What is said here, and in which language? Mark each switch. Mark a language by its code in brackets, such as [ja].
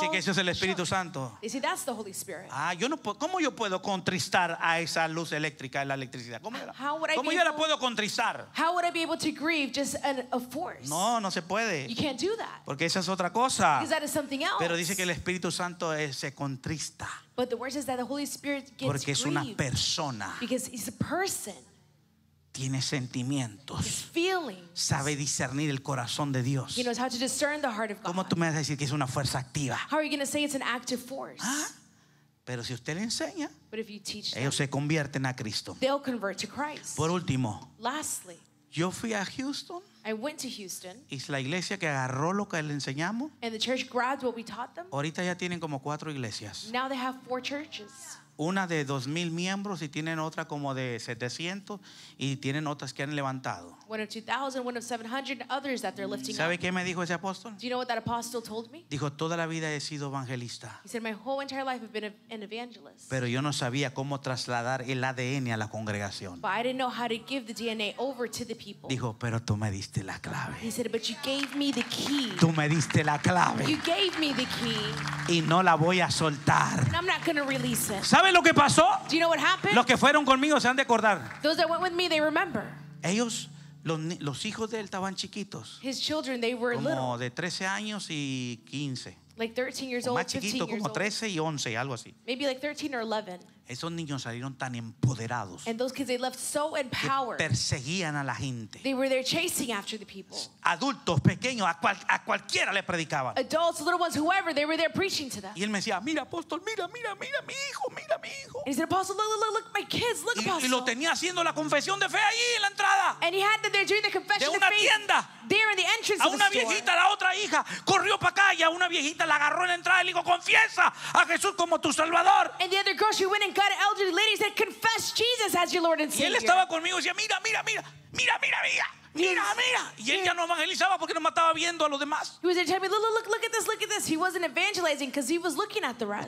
[es] Dice que eso es el Espíritu Santo. [en] They say that's the Holy Spirit. [es] Ah, yo no puedo. ¿Cómo yo puedo contristar a esa luz eléctrica, la electricidad? ¿Cómo era? [en] How would I? [es] ¿Cómo yo la puedo contristar? [en] How would I be able to grieve just a force? [es] No, no se puede. [en] You can't do that. [es] Porque esa es otra cosa. [en] Because that is something else. [es] Pero dice que el Espíritu Santo se contrista. [en] But the word says that the Holy Spirit gets grieved. [es] Porque es una persona. [en] Because he's a person. [es] Tiene sentimientos. [en] His feelings. [es] Sabe discernir el corazón de Dios. [en] He knows how to discern the heart of God. [es] ¿Cómo tú me vas a decir que es una fuerza activa? [en] How are you going to say it's an active force? [es] ¿Ah? Pero si usted le enseña, [en] but if you teach [es] ellos [en] them, [es] se convierten a Cristo. [en] They'll convert to Christ. [es] Por último, [en] lastly, [es] yo fui a Houston. [en] I went to Houston. [es] Y la iglesia que agarró lo que le enseñamos. [en] And the church grabbed what we taught them. [es] Ahorita ya tienen como cuatro iglesias. [en] Now they have four churches. [es] Una de 2,000 miembros y tienen otra como de 700 y tienen otras que han levantado. [en] One of 2,000, one of 700, others that they're lifting. [es] ¿Sabe [en] up. [es] Qué me dijo ese apóstol? [en] Do you know what that apostle told me? [es] Dijo, toda la vida he sido evangelista. [en] He said, my whole entire life I've been an evangelist. [es] Pero yo no sabía cómo trasladar el ADN a la congregación. [en] But I didn't know how to give the DNA over to the people. [es] Dijo, pero tú me diste la clave. [en] He said, but you gave me the key. [es] Tú me diste la clave. [en] You gave me the key. [es] Y no la voy a soltar. [en] And I'm not going to release it. [es] ¿Sabe lo que pasó? [en] Do you know what happened? [es] Los que fueron conmigo se han de acordar. [en] Those that went with me, they remember. [es] Ellos, los hijos de él estaban chiquitos. [en] His children, they were [es] como [en] little. [es] De 13 años y 15. [en] Like 13 years old, [es] más chiquito, como 13 y 11, algo así. [en] Maybe like 13 or 11. [es] Esos niños salieron tan empoderados. [en] And those kids, they left so empowered. [es] Que perseguían a la gente. [en] They were there chasing after the people. [es] Adultos, pequeños, a cualquiera le predicaban. [en] Adults, little ones, whoever, they were there preaching to them. [es] Y él me decía, mira, apóstol, mira, mira, mira, mi hijo, mira, mi hijo. [en] And he said, apostle, look, look, look, my kids, look, apostle. [es] Y lo tenía haciendo la confesión de fe allí en la entrada. And he had them there doing the confession of faith. De una tienda. [en] There in the entrance of the store. [es] A una viejita, la otra hija, corrió para acá y a una viejita la agarró en la entrada y le dijo, confiesa a Jesús como tu salvador. [en] And the other girl, she went and got an elderly lady and said, confess Jesus as your Lord and Savior. [es] Y él estaba conmigo y decía, mira, mira, mira, mira, mira, mira. Mira, mira. Y ella no evangelizaba porque no mataba viendo a los demás. [en] He was there telling me, look, look, look at this, look at this. He wasn't evangelizing because he was looking at the rest.